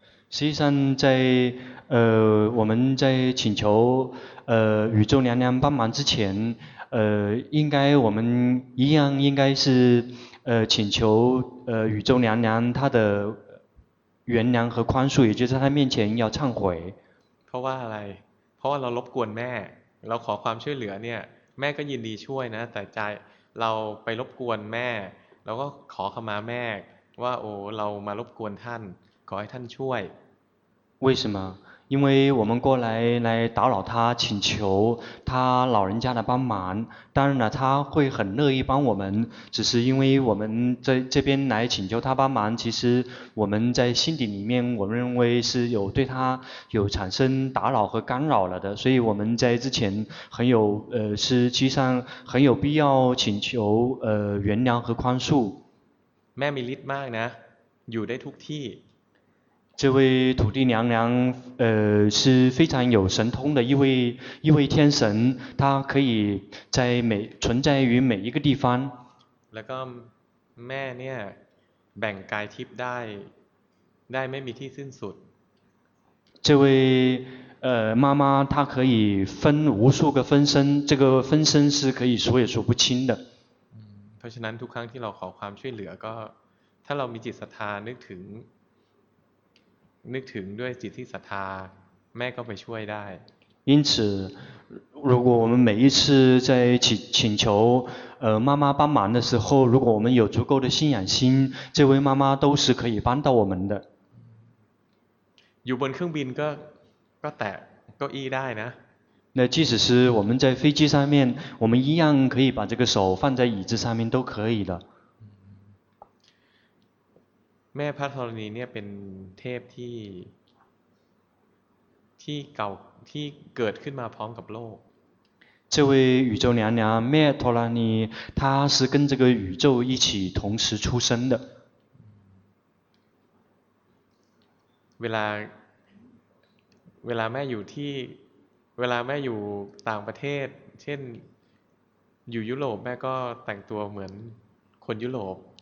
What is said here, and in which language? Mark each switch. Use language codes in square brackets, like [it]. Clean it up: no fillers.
[zh] 实际上在我们在请求宇宙娘娘帮忙之前应该我们一样应该是请求宇宙娘娘她的原谅和宽恕也就是在她面前要忏悔 [th] เพราะว่าอะไรเพราะว่าเรารบกวนแม่เราขอความช่วยเหลือเนี่ยแม่ก็ยินดีช่วยนะแต่ใจเราไปรบกวนแม่เราก็ขอขมาแม่ว่าโอ้เรามารบกวนท่านขอให้ท่านช่วย [zh] 为什么因为我们过来打扰他请求他老人家的帮忙当然了他会很乐意帮我们只是因为我们在这边来请求他帮忙其实我们在心底里面我们认为是有对他有产生打扰和干扰了的所以我们在之前很有实际上很有必要请求原谅和宽恕 [th] แม่มีฤทธิ์มากนะอยู่ได้ทุกที่ [zh] 这位土地娘娘是非常有神通的一位天神她可以在存在于每一个地方 แล้วก็ [th] แม่เนี่ยแบ่งกายทิพย์ได้ไม่มีที่สิ้นสุด [zh] 这位妈妈她可以分无数个分身这个分身是可以数也数不清的 [th] เพราะฉะนั้นทุกครั้งที่เราขอความช่วยเหลือก็ถ้าเรามีจิตศรัทธานึกถึงด้วยจิตที่ศรัทธาแม่ก็ไปช่วยได้ [zh] 因此如果我们每一次在请求妈妈帮忙的时候如果我们有足够的信仰心这位妈妈都是可以帮到我们的 [th] อยู่บนเครื่องบินก็แตะเก้าอี้ได้นะ [zh] 那即使是我们在飞机上面我们一样可以把这个手放在椅子上面都可以的 [th] แม่พระธรณีเนี่ยเป็นเทพที่เก่าที่เกิดขึ้นมาพร้อมกับโลก [zh] 这位宇宙娘娘แม่ธรณี她是跟这个宇宙一起同时出生的 [th] เวลาแม่อยู่ที่เวลาแม่อยู่ต่างประเทศเช่นอยู่ยุโรปแม่ก็แต่งตัวเหมือนคนยุโรป